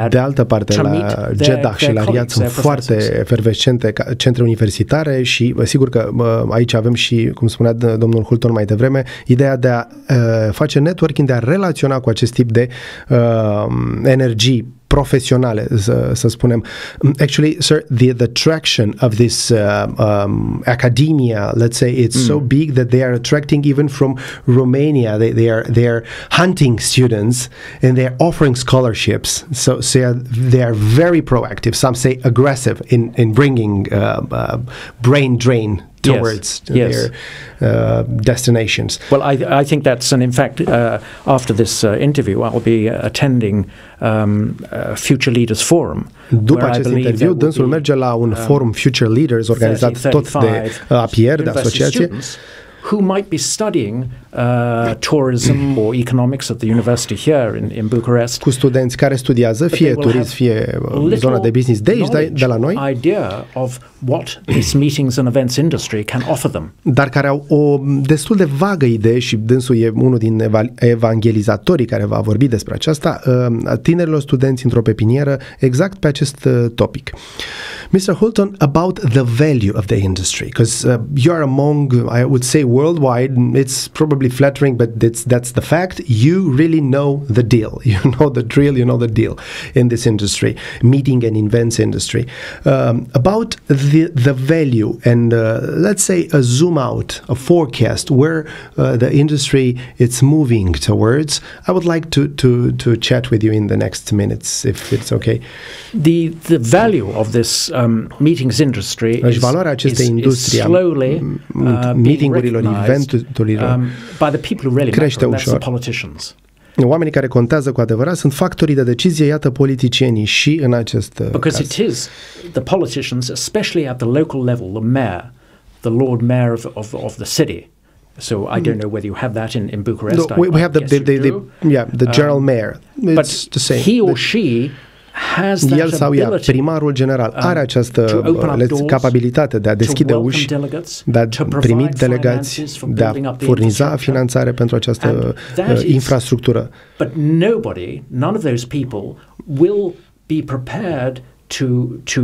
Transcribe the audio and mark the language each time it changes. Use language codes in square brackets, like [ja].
[ro] pe de altă parte, la Jeddah și la Riyadh sunt foarte efervescente centre universitare și sigur că aici avem și, cum spunea domnul Hulton mai devreme, ideea de a face networking, de a relaționa cu acest tip de energii profesionale, să spunem. [en] Actually, sir, the attraction of this academia, let's say, it's so big that they are attracting even from Romania. They are hunting students and they are offering scholarships. So they are very proactive. Some say aggressive in bringing brain drain towards their destinations. Well, I think that's, and in fact, after this interview, I will be attending Future Leaders Forum. [ro] După acest interviu, dânsul merge la un forum Future Leaders organizat tot de APR, de asociație. [en] Who might be studying tourism or economics at the university here in Bucureşti? [ro] Cu studenți care studiază fie turism, fie zona de business de aici, de la noi. [en] Idea of what these meetings and events industry can offer them. [ro] Dar care au o destul de vagă idee și dânsul e unul din evangelizatorii care va vorbi despre aceasta, tinerilor studenți într-o pepinieră exact pe acest topic. [en] Mr. Hulton, about the value of the industry, because you are among, I would say, worldwide, it's probably flattering, but that's the fact. You really know the deal. You know the drill, you know the deal in this industry, meeting and events industry. About the value, and let's say a zoom out, a forecast, where the industry it's moving towards, I would like to chat with you in the next minutes, if it's okay. The value of this meetings industry is slowly being recognized by the people who really matter, [ro] ușor. [en] That's the politicians. [ro] Oamenii care contează cu adevărat sunt factorii de decizie, iată politicienii și în acest caz. [en] Because it is the politicians, especially at the local level, the mayor, the Lord Mayor of the city. So I don't know whether you have that in Bucureşti. No, we have the general mayor. It's but the same. He or she has that [ro] el sau ea, [en] ability, [ro] primarul general, are această capabilitate de a deschide uși, de a primi delegați, de a furniza finanțare pentru această infrastructură. [en] But nobody, none of those people, will be prepared to